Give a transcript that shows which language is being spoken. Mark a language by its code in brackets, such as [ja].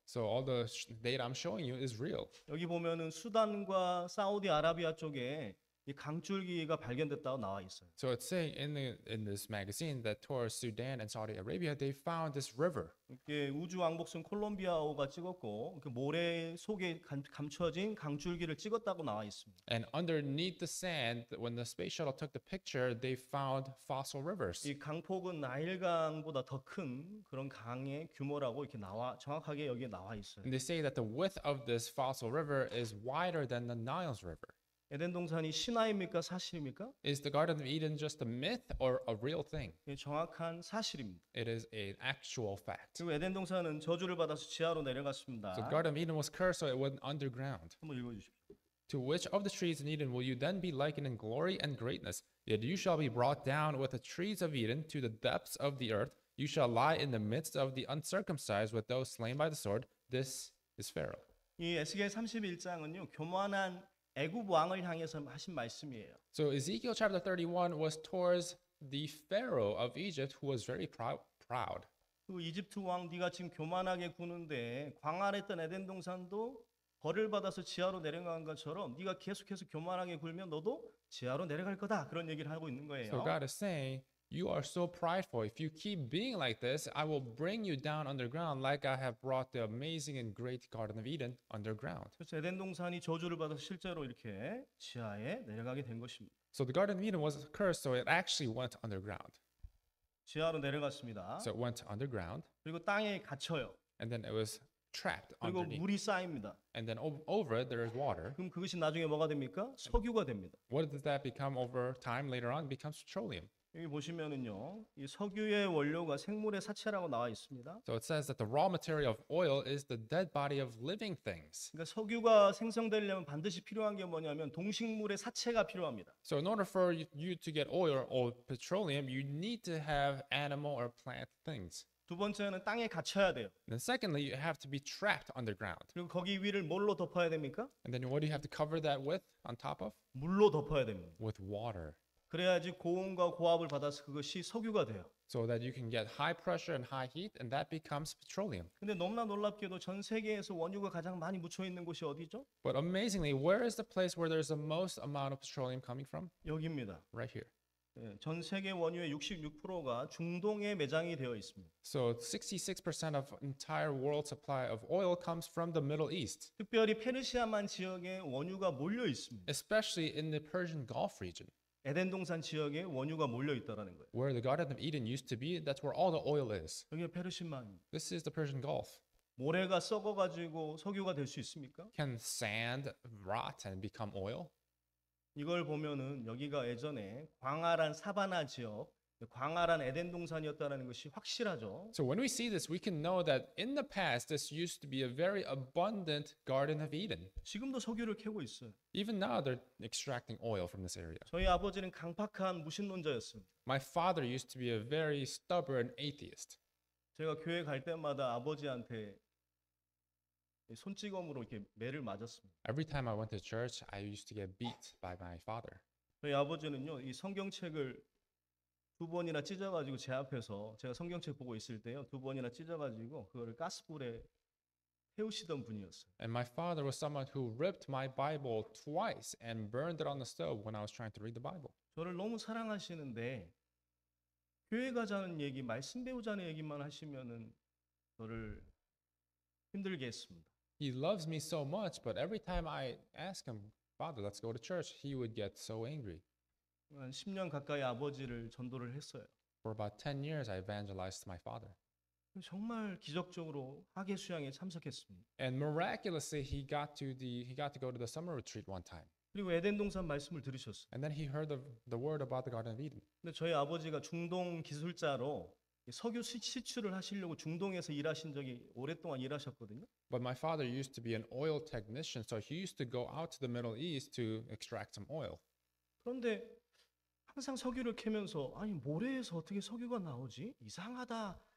[en] So all the data I'm showing you is real. [ko] 여기 보면은 수단과 사우디아라비아 쪽에 이 강줄기가 발견됐다고 나와 있어요. [en] So it's saying in this magazine that towards Sudan and Saudi Arabia they found this river. [ko] 이게 우주 왕복선 콜롬비아호가 찍었고 그 모래 속에 감춰진 강줄기를 찍었다고 나와 있습니다. [en] And underneath the sand when the space shuttle took the picture they found fossil rivers. [ko] 이 강폭은 나일강보다 더 큰 그런 강의 규모라고 이렇게 나와 정확하게 여기 나와 있어요. [en] And they say that the width of this fossil river is wider than the Nile's river. [ko] 에덴 동산이 신화입니까 사실입니까? [en] Is the Garden of Eden just a myth or a real thing? [ko] 예, 정확한 사실입니다. [en] It is an actual fact. [ko] 그리고 에덴 동산은 저주를 받아서 지하로 내려갔습니다. [en] So the Garden of Eden was cursed, so it went underground. [ko] 한번 읽어주십시오. [en] To which of the trees in Eden will you then be likened in glory and greatness? Yet you shall be brought down with the trees of Eden to the depths of the earth. You shall lie in the midst of the uncircumcised with those slain by the sword. This is Pharaoh. [ko] 이 에스겔 31장은요, 교만한 애굽 왕을 향해서 하신 말씀이에요. [en] So Ezekiel chapter 31 was towards the Pharaoh of Egypt who was very proud. [ko] 그 이집트 왕 네가 지금 교만하게 구는데 광활했던 에덴 동산도 벌을 받아서 지하로 내려간 것처럼 네가 계속해서 교만하게 굴면 너도 지하로 내려갈 거다. 그런 얘기를 하고 있는 거예요. [en] So God is saying, you are so prideful. If you keep being like this, I will bring you down underground like I have brought the amazing and great Garden of Eden underground. [ko] 그래서 에덴 동산이 저주를 받아 실제로 이렇게 지하에 내려가게 된 것입니다. [en] So the Garden of Eden was cursed, so it actually went underground. [ko] 지하로 내려갔습니다. [en] So it went underground. [ko] 그리고 땅에 갇혀요. [en] And then it was trapped underneath. [ko] 그리고 물이 쌓입니다. [en] And then over it there is water. [ko] 그럼 그것이 나중에 뭐가 됩니까? 석유가 됩니다. [en] What does that become over time later on? It becomes petroleum. [ko] 여기 보시면은요, 이 석유의 원료가 생물의 사체라고 나와 있습니다. [en] So it says that the raw material of oil is the dead body of living things. [ko] 그러니까 석유가 생성되려면 반드시 필요한 게 뭐냐면 동식물의 사체가 필요합니다. [en] So in order for you to get oil or petroleum, you need to have animal or plant things. [ko] 두 번째는 땅에 갇혀야 돼요. [en] Then secondly, you have to be trapped underground. [ko] 그리고 거기 위를 뭘로 덮어야 됩니까? [en] And then what do you have to cover that with on top of? [ko] 물로 덮어야 됩니다. [en] With water. [ko] 그래야지 고온과 고압을 받아서 그것이 석유가 돼요. [en] So that you can get high pressure and high heat and that becomes petroleum. [ko] 근데 너무나 놀랍게도 전 세계에서 원유가 가장 많이 묻혀 있는 곳이 어디죠? [en] But amazingly, where is the place where there's the most amount of petroleum coming from? [ko] 여기입니다. [en] Right here. [ko] 전 세계 원유의 66%가 중동에 매장이 되어 있습니다. [en] So 66% of entire world supply of oil comes from the Middle East. [ko] 특별히 페르시아만 지역에 원유가 몰려 있습니다. [en] Especially in the Persian Gulf region. [ko] 에덴 동산 지역에 원유가 몰려 있다라는 거예요. [en] Where the Garden of Eden used to be, that's where all the oil is. [ko] 여기 페르시아만. [en] This is the Persian Gulf. [ko] 모래가 썩어 가지고 석유가 될 수 있습니까? [en] Can sand rot and become oil? [ko] 이걸 보면은 여기가 예전에 광활한 사바나 지역, 광활한 에덴 동산이었다라는 것이 확실하죠. [en] So when we see this, we can know that in the past this used to be a very abundant Garden of Eden. [ko] 지금도 석유를 캐고 있어요. [en] Even now they're extracting oil from this area. [ko] 저희 아버지는 강박한 무신론자였습니다. [en] My father used to be a very stubborn atheist. [ko] 제가 교회 갈 때마다 아버지한테 손찌검으로 이렇게 매를 맞았습니다. [en] Every time I went to church, I used to get beat by my father. [ko] 저희 아버지는요, 이 성경책을 두 번이나 찢어가지고 제 앞에서 제가 성경책 보고 있을 때요 두 번이나 찢어가지고 그거를 가스불에 태우시던 분이었어요. [en] And my father was someone who ripped my Bible twice and burned it on the stove when I was trying to read the Bible. [ko] 저를 너무 사랑하시는데 교회 가자는 얘기, 말씀 배우자는 얘기만 하시면은 저를 힘들게 했습니다. [en] He loves me so much, but every time I ask him, Father, let's go to church, he would get so angry. [ko] 한 10년 가까이 아버지를 전도를 했어요. [en] For about 10 years, I evangelized my father. [ko] 정말 기적적으로 학예 수양에 참석했습니다. [en] And miraculously, he got to go to the summer retreat one time. [ko] 그리고 에덴 동산 말씀을 들으셨어요. [en] And then he heard the word about the Garden of Eden. [ko] 근데 저희 아버지가 중동 기술자로 석유 시추를 하시려고 중동에서 일하신 적이 오랫동안 일하셨거든요. [en] But my father used to be an oil technician, so he used to go out to the Middle East to extract some oil. [ko] 그런데 항상 석유를 캐면서 아니 모래에서 어떻게 석유가 나오지? 이상하다.